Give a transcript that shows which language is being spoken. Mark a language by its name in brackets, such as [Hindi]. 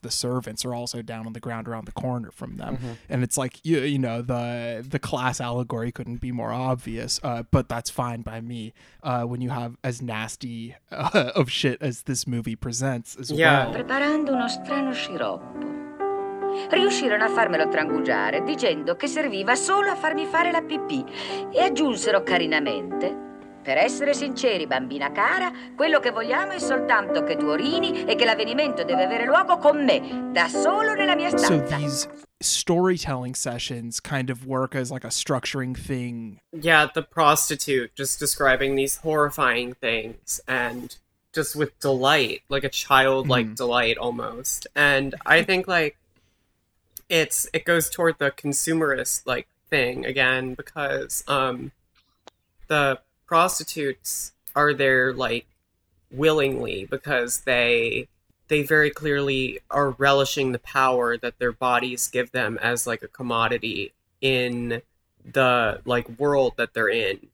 [English] The servants are also down on the ground around the corner from them. Mm-hmm. And it's like, you know, the class allegory couldn't be more obvious, but that's fine by me when you have as nasty of shit as this movie presents as well. [Italian] Preparando uno strano sciroppo. Riuscirono a farmelo trangugiare dicendo che serviva solo a farmi fare la pipì e aggiunsero carinamente... Per essere sinceri, bambina cara, quello che vogliamo è soltanto che tu orini e che l'avvenimento deve avere luogo con me, da solo nella mia stanza. [English] So these storytelling sessions kind of work as like a structuring thing. Yeah, the prostitute just describing these horrifying things and just with delight, like a childlike delight almost. And I think like it goes toward the consumerist like thing again, because the prostitutes are there like willingly because they very clearly are relishing the power that their bodies give them as like a commodity in the like world that they're in.